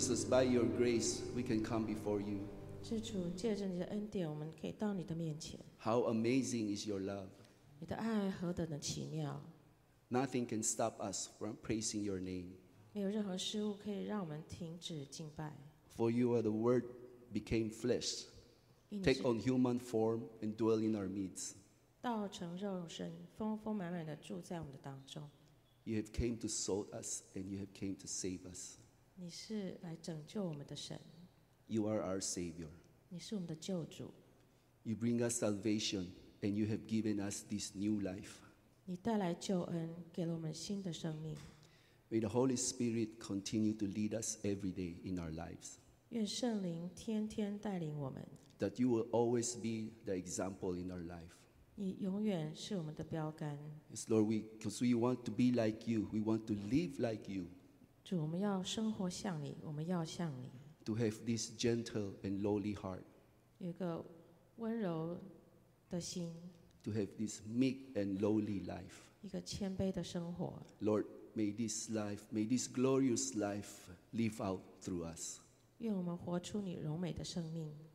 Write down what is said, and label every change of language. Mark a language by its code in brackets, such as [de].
[en] by your grace, we can come before you. [zh] 是主借着你的恩典，我们可以到你的面前。 [en] How amazing is your love? [zh] 你的爱何等的奇妙。 [en] Nothing can stop us from praising your name. [zh] 没有任何事物可以让我们停止敬拜。 [en] For you are the Word became flesh, take on human form and dwell in our midst. [zh] 道成肉身，丰丰满满的住在我们的当中。 [en] You have came to salt us, and you have came to save us. [zh] 你是来拯救我们的神。 [en] You are our Savior. [zh] 你是我们的救主。 [en] You bring us salvation, and you have given us this new life. [zh] 你带来救恩，给了我们新的生命。 [en] May the Holy Spirit continue to lead us every day in our lives. [zh] 愿圣灵天天带领我们。 [en] That you will always be the example in our life. [zh] 你永远是我们的标杆。 [en] Yes, Lord, because we want to be like you, we want to live like you. [zh] 主，我们要生活像你，我们要像你。 [en] To have this gentle and lowly heart. [zh] 有一个温柔的心。 [en] To have this meek and lowly life. [zh] 一个谦卑的生活。 [en] Lord, may this life, may this glorious life live out through us. [zh] 愿我们活出你荣美的生命。